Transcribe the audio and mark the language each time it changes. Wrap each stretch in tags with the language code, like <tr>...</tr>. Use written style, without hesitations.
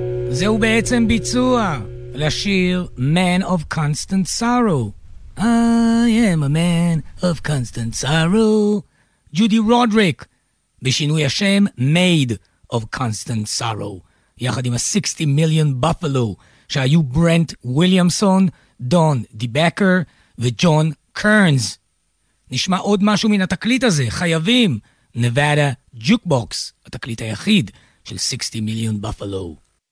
<he>זהו בעצם ביצוע לשיר Man of Constant Sorrow.</he> <en>I am a man of constant sorrow.</en> <he>ג'ודי רודריק, בשינוי השם Made of Constant Sorrow, יחד עם ה-60 Million Buffalo, שהיו ברנט וויליאמסון, דון דיבקר וג'ון קרנס. נשמע עוד משהו מן התקליט הזה, חייבים, נבדה ג'וקבוקס, התקליט היחיד של 60 Million Buffalo.</he>